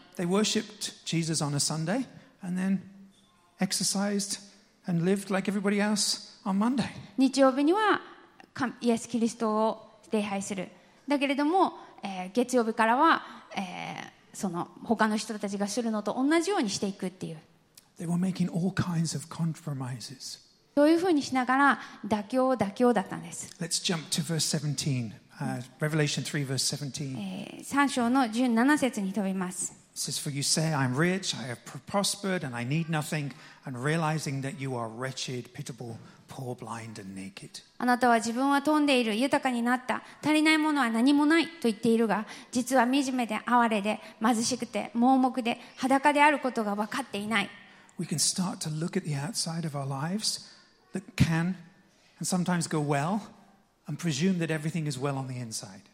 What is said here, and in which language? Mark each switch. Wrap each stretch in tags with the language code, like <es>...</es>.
<en>They worshipped Jesus on a Sunday and then exercised and lived like everybody else on Monday.</en> <ja>日曜日にはイエス・キリストを礼拝する。だけれども、月曜日からは、その他の人たちがするのと同じようにしていくっていう。</ja> <en>They were making all kinds of compromises.</en> <ja>そういうふうにしながら妥協妥協だったんです。</ja> <en>Let's jump to verse 17. Revelation 3 verse 17.</en> <ja>3章の17節に飛びます。</ja> <en>It says, For you say, I'm rich, I have prospered, and I need nothing, and realizing that you are wretched, pitiable, poor, blind, and naked.</en> <ja>あなたは自分は富んでいる、豊かになった、足りないものは何もないと言っているが、実は惨めで哀れで、貧しくて、盲目で、裸であることが分かっていない。</ja> <en>We can start to look at the outside of our lives that can and sometimes go well and presume that everything is well on the inside.</en>